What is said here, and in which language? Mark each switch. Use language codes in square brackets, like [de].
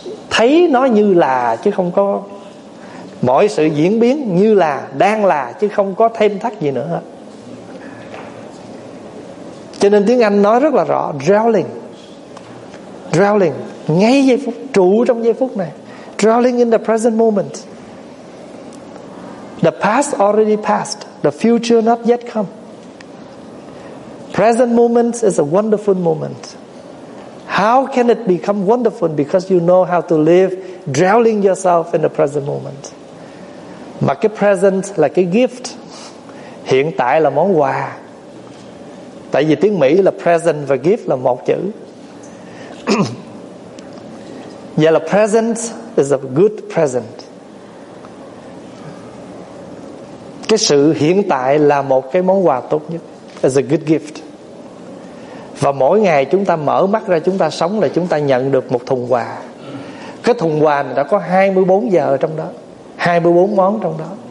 [vi] Thấy nó như là, chứ không có. Mọi sự diễn biến như là, đang là, chứ không có thêm thắt gì nữa hết. Cho nên tiếng Anh nói rất là rõ, dwelling, ngay giây phút, trụ trong giây phút này, [en] dwelling in the present moment. The past already passed, the future not yet come. Present moment is a wonderful moment. How can it become wonderful? Because you know how to live, drowning yourself in the present moment. [vi] Mà cái present là cái gift, hiện tại là món quà. Tại vì tiếng Mỹ là present và gift là một chữ. [en] Yeah, the present is a good present. [vi] Cái sự hiện tại là một cái món quà tốt nhất, [en] is a good gift. [vi] Và mỗi ngày chúng ta mở mắt ra, chúng ta sống là chúng ta nhận được một thùng quà. Cái thùng quà này đã có 24 giờ ở trong đó, 24 món trong đó.